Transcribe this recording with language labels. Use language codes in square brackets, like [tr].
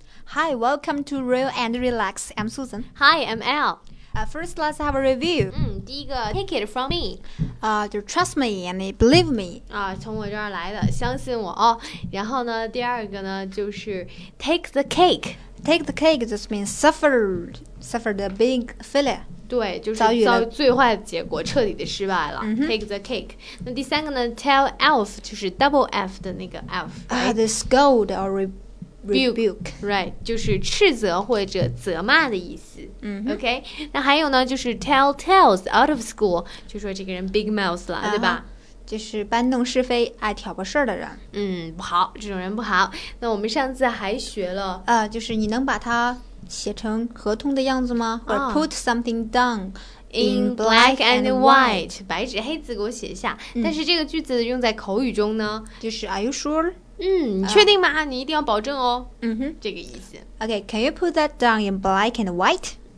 [en] Hi, welcome to Real and Relax. I'm Susan. Hi, I'm Al. First, let's have a review. [zh] 第一个 [en] take it from me. You trust me and believe me. [zh] 从我这儿来的，相信我哦。然后呢，第二个呢，就是 take the cake. [en] Take the cake just means suffered a big failure. [zh] 对，就是遭最坏的结果，彻底的失败了。 Mm-hmm. Take the cake. 那第三个呢 ，tell elf 就是 double F 的那个 elf. [en] The scold or rebuke, [zh] right, 就是斥责或者责骂的意思。 Mm-hmm. OK, 那还有呢，就是 tell tales out of school, 就说这个人 big mouth 了，对吧？就是搬弄是非、爱挑拨事儿的人。不好，这种人不好。那我们上次还学了，就是你能把它写成合同的样子吗？ [en] 或者 put something down in black and white, [zh] 白纸黑字给我写下。但是这个句子用在口语中呢， [en] 就是 are you sure? [zh] 你确定吗？你一定要保证哦。嗯哼，这个意思。 [en] Okay, can you put that down in black and white?